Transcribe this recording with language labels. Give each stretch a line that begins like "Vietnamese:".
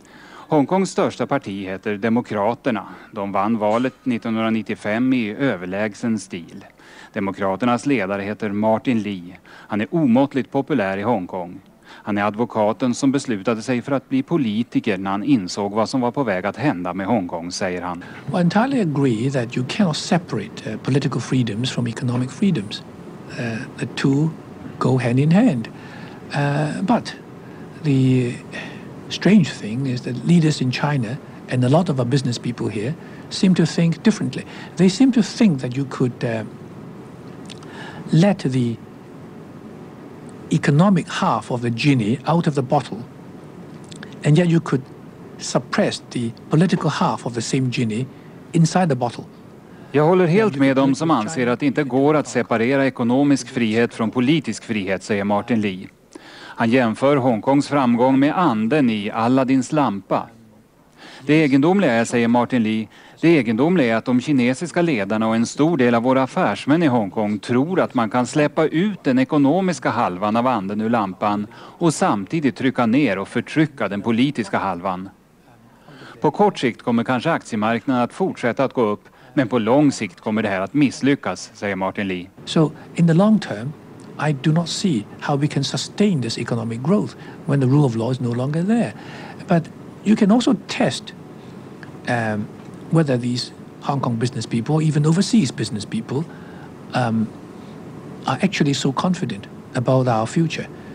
Swedish: Hongkongs största parti heter Demokraterna. De vann valet 1995 i överlägsen stil. Demokraternas ledare heter Martin Lee. Han är omåttligt populär i Hongkong. Han är advokaten som beslutade sig för att bli politiker när han insåg vad som var på väg att hända med Hongkong, säger han.
English: I entirely agree that you cannot separate political freedoms from economic freedoms. The two go hand in hand. But the strange thing is that leaders in China and a lot of our business people here seem to think differently. They seem to think that you could let the economic half of the genie out of the bottle, and yet you could suppress the political half of the same genie inside the bottle.
Swedish: Jag håller helt med dem som anser att det inte går att separera ekonomisk frihet från politisk frihet, säger Martin Lee. Han jämför Hongkongs framgång med anden i Aladdins lampa. Det egendomliga är, säger Martin Lee, det egendomliga är att de kinesiska ledarna och en stor del av våra affärsmän i Hongkong tror att man kan släppa ut den ekonomiska halvan av anden ur lampan och samtidigt trycka ner och förtrycka den politiska halvan. På kort sikt kommer kanske aktiemarknaden att fortsätta att gå upp, men på lång sikt kommer det här att misslyckas, säger Martin Lee.
English: So in the long term, I do not see how we can sustain this economic growth when the rule of law is no longer there. But you can also test whether these Hong Kong business people, even overseas business people, are actually so confident about our future.